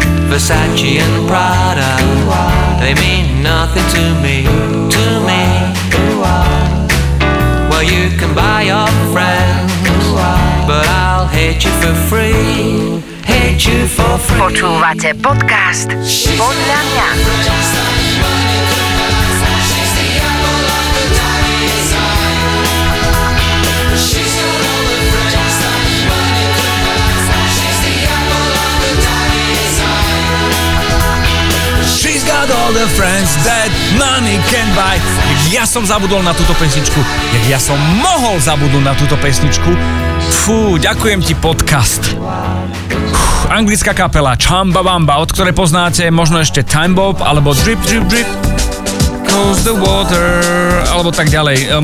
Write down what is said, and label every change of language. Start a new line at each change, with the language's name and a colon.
English: Versace and Prada, they mean nothing to me, to me. Well, you can buy your friends, but I'll hate you for free, hate you for free.
Slovak: Počúvate podcast Podľa mňa.
English: The friends that money can buy.
Slovak: Ja som zabudol na túto pesničku. Ja som mohol zabudnúť na túto pesničku. Fú, ďakujem ti podcast. Anglická kapela Chumba Wamba, od ktorej poznáte možno ešte Time Bob alebo Drip Drip Drip Goes the Water alebo tak ďalej.